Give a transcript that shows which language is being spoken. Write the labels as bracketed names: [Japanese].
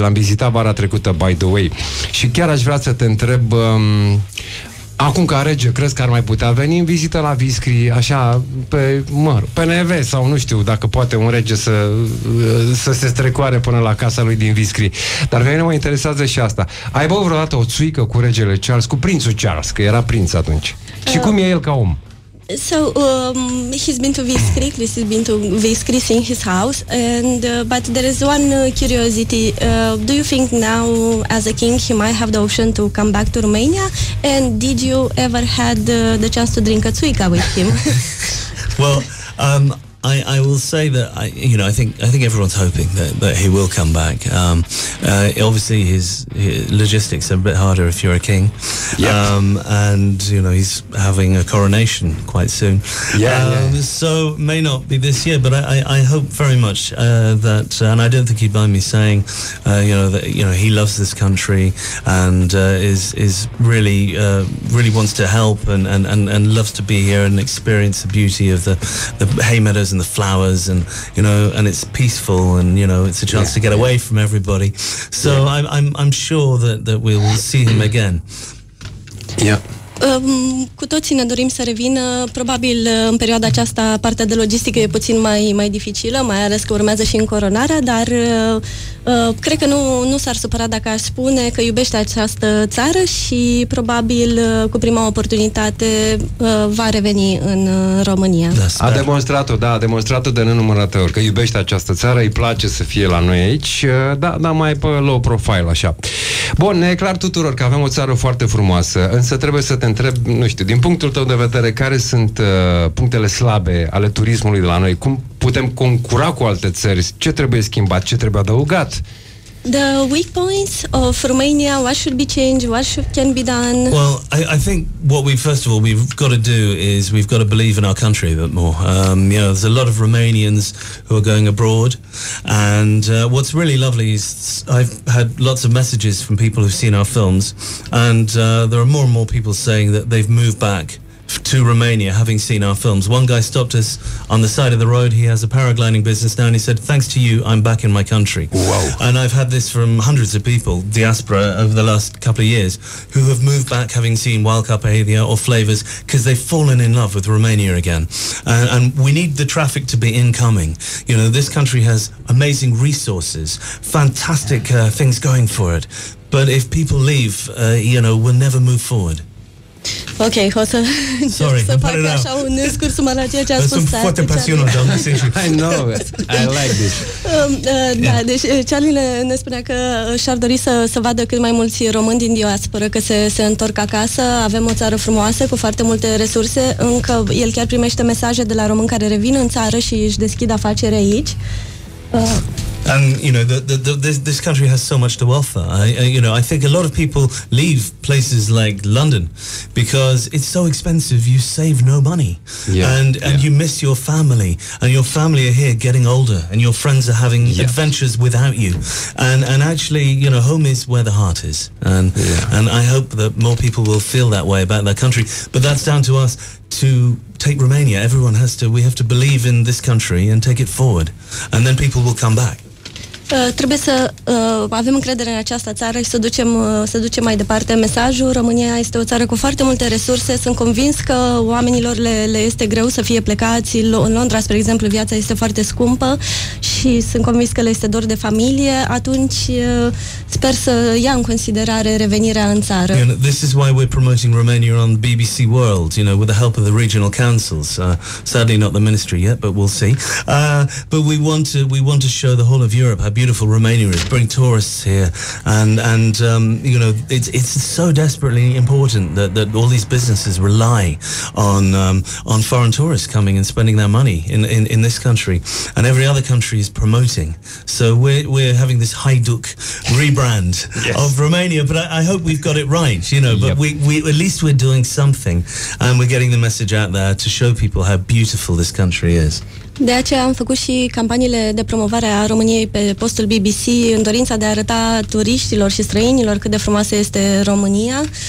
[Romanian] L-am vizitat vara trecută, [English] by the way. [Romanian] Și chiar aș vrea să te întreb, acum ca rege, crezi că ar mai putea veni în vizită la Viscri, așa, pe pe neve, sau nu știu dacă poate un rege să se strecoare până la casa lui din Viscri. Dar pe mine mă interesează și asta. Ai băut vreodată o țuică cu regele Charles, cu prințul Charles, că era prinț atunci? Și cum e el ca om? [English] So he's been to Viscri. Chris has been to Viscri, seeing his house. And but there is one curiosity. Do you think now, as a king, he might have the option to come back to Romania? And did you ever had the chance to drink a țuica with him? Well, I will say that I think everyone's hoping that he will come back. Obviously, his logistics are a bit harder if you're a king. Yep. And you know, he's having a coronation quite soon. So may not be this year, but I hope very much that. And I don't think he'd mind me saying, that he loves this country and is really wants to help and loves to be here and experience the beauty of the hay meadows and the flowers, and you know, and it's peaceful, and you know, it's a chance to get away from everybody. So I'm sure that we'll see him again. Yeah. [Romanian] Cu toții ne dorim să revină. Probabil în perioada aceasta partea de logistică e puțin mai dificilă, mai ales că urmează și încoronarea, dar cred că nu s-ar supăra dacă aș spune că iubește această țară și probabil cu prima oportunitate va reveni în România. A demonstrat-o, da, a demonstrat-o de nenumărate ori, că iubește această țară, îi place să fie la noi aici, dar mai pe low profile, așa. Bun, e clar tuturor că avem o țară foarte frumoasă, însă trebuie să te întreb, nu știu, din punctul tău de vedere, care sunt punctele slabe ale turismului de la noi? Cum putem concura cu alte țări? Ce trebuie schimbat? Ce trebuie adăugat? [English] The weak points of Romania, what should be changed, what can be done? Well, I think what we, first of all, we've got to do is we've got to believe in our country a bit more. You know, there's a lot of Romanians who are going abroad. And what's really lovely is I've had lots of messages from people who've seen our films. And there are more and more people saying that they've moved back to Romania having seen our films. One guy stopped us on the side of the road. He has a paragliding business now, and he said, thanks to you, I'm back in my country. Wow. And I've had this from hundreds of people, diaspora, over the last couple of years, who have moved back having seen Wild Carpathia or Flavors, because they've fallen in love with Romania again. And we need the traffic to be incoming. You know, this country has amazing resources, fantastic things going for it. But if people leave, you know, we'll never move forward. [Romanian] Ok, o să fac așa un scurs suman la ceea ce a spus. Sunt foarte pasionat, doamne, [English] I know, I like this. [Romanian] Da, deci Charlie ne spunea că și-ar dori să vadă cât mai mulți români din diaspora, că se întorc acasă. Avem o țară frumoasă, cu foarte multe resurse. Încă el chiar primește mesaje de la români care revin în țară și își deschid afacere aici. [English] And, you know, this country has so much to offer. I think a lot of people leave places like London because it's so expensive, you save no money. Yeah, and you miss your family, and your family are here getting older, and your friends are having adventures without you. And actually, you know, home is where the heart is. And I hope that more people will feel that way about their country. But that's down to us to take Romania. Everyone has to, we have to believe in this country and take it forward. And then people will come back. [Romanian] Trebuie să avem încredere în această țară și să ducem mai departe mesajul. România este o țară cu foarte multe resurse. Sunt convins că oamenilor le este greu să fie plecați. În Londra, spre exemplu, viața este foarte scumpă și sunt convins că le este dor de familie. Atunci sper să ia în considerare revenirea în țară. [English] You know, this is why we're promoting Romania on BBC World, you know, with the help of the regional councils. Sadly not the ministry yet, but we'll see. But we want to show the whole of Europe how beautiful Romania is, bring tourists here, and you know, it's so desperately important that all these businesses rely on foreign tourists coming and spending their money in this country, and every other country is promoting. So we're having this Haiduc rebrand of Romania, but I hope we've got it right, you know. But we at least we're doing something, and we're getting the message out there to show people how beautiful this country is. [Romanian] De aceea am făcut și campaniile de promovare a României pe postul BBC în dorința de a arăta turiștilor și străinilor cât de frumoasă este România.